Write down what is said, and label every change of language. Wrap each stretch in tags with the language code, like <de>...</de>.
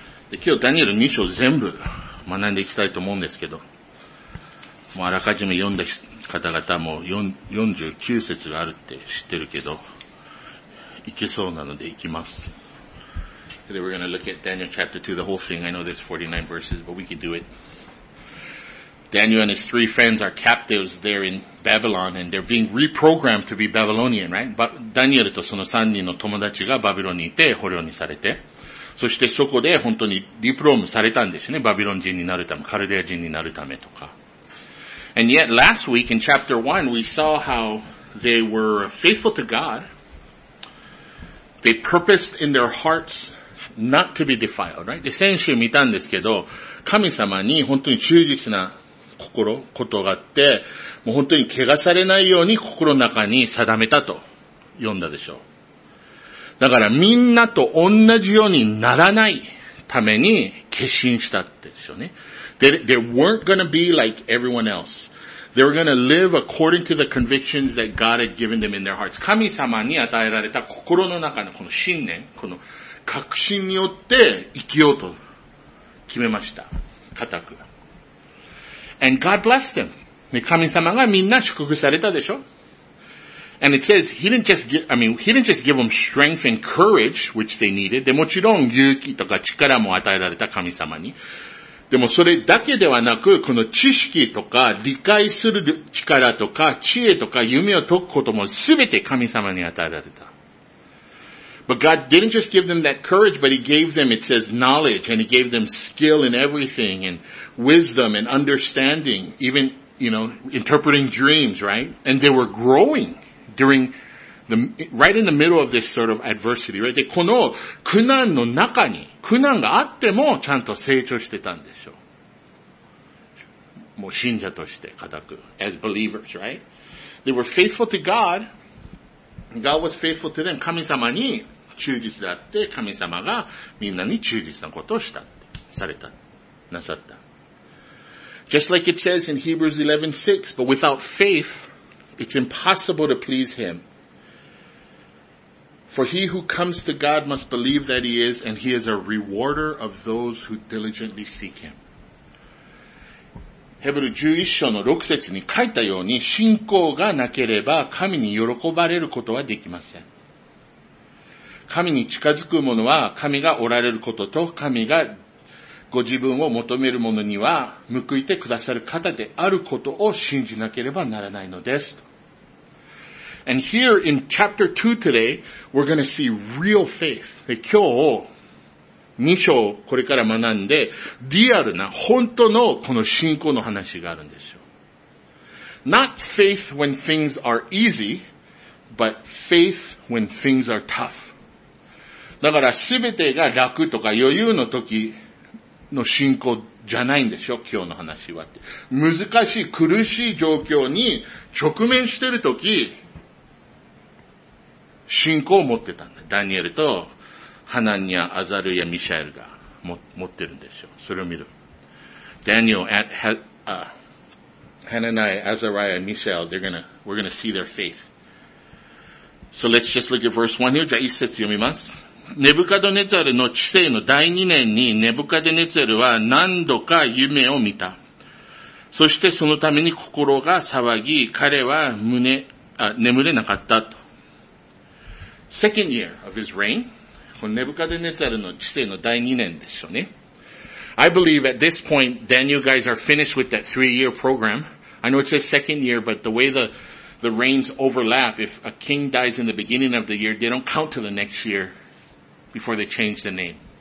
<ja>で今日ダニエル2章全部学んでいきたいと思うんですけど、もうあらかじめ読んだ方々も49節があるって知ってるけど、いけそうなのでいきます。</ja> <en>Today we're going to look at Daniel chapter 2, the whole thing. I know there's 49 verses, but we can do it. Daniel and his three friends are captives there in Babylon, and they're being reprogrammed to be Babylonian, right?</en> <ja>ダニエルとその3人の友達がバビロンにいて捕虜にされて、そしてそこで本当にリプロームされたんですね。バビロン人になるため、カルデア人になるためとか。</ja> <en>And yet last week in chapter 1, we saw how they were faithful to God. They purposed in their hearts not to be defiled, right?</en> <ja>で、先週見たんですけど、神様に本当に忠実な心、ことがあって、もう本当に汚されないように心の中に定めたと読んだでしょう。だからみんなと同じようにならないために決心したってでしょうね。</ja> <en>They weren't gonna be like everyone else. They were gonna live according to the convictions that God had given them in their hearts.</en> <ja>神様に与えられた心の中のこの信念、この確信によって生きようと決めました。固く。</ja> <en>And God blessed them.</en> <ja>神様がみんな祝福されたでしょ。</ja> <en>And it says, he didn't just give them strength and courage, which they needed.</en> <ja>で、もちろん勇気とか力も与えられた神様に。でもそれだけではなく、この知識とか理解する力とか知恵とか夢を解くこともすべて神様に与えられた。</ja> <en>But God didn't just give them that courage, but he gave them, it says, knowledge, and he gave them skill in everything, and wisdom and understanding, even, you know, interpreting dreams, right? And they were growing. Right in the middle of this sort of adversity, right?</en> <ja>で、この苦難の中に、苦難があっても、ちゃんと成長してたんでしょう。もう信者として、固く。</ja> <en>As believers, right? They were faithful to God. God was faithful to them.</en> <ja>神様に忠実であって、神様がみんなに忠実なことをしたって、された、なさった。</ja> <en>Just like it says in Hebrews 11:6, but without faith,It's impossible to please him. For he who comes to God must believe that he is, and he is a rewarder of those who diligently seek him.</en> <ja>ヘブル11章の6節に書いたように、信仰がなければ神に喜ばれることはできません。神に近づく者は神がおられることと、神がご自分を求める者には報いてくださる方であることを信じなければならないのです。</ja> <en>And here in chapter 2 today, we're going to see real faith.</en> <ja>今日、2章これから学んで、リアルな本当のこの信仰の話があるんですよ。</ja> <en>Not faith when things are easy, but faith when things are tough.</en> <ja>だから全てが楽とか余裕の時の信仰じゃないんですよ、今日の話は。難しい、苦しい状況に直面してる時、信仰を持ってたんだ。ダニエルとハナニア、アザルヤ、ミシャエルが持ってるんでしょう。それを見る。</ja> <en>Daniel, Hanani, Azariah, Mishael, we're gonna see their faith. So let's just look at verse 1 here.</en> <ja>じゃあ一節読みます。ネブカドネツァルの治世の第2年にネブカドネツァルは何度か夢を見た。そしてそのために心が騒ぎ、彼は眠れなかったと。</ja> <en>Second year of his reign.</en> <ja>このネブカデネザルの治世の第二年でしょうね。</ja> <en>I believe at this point, Daniel guys are finished with that three-year program. I know it says second year, but the way the reigns overlap, if a king dies in the beginning of the year, they don't count to the next year before they change the name.</en>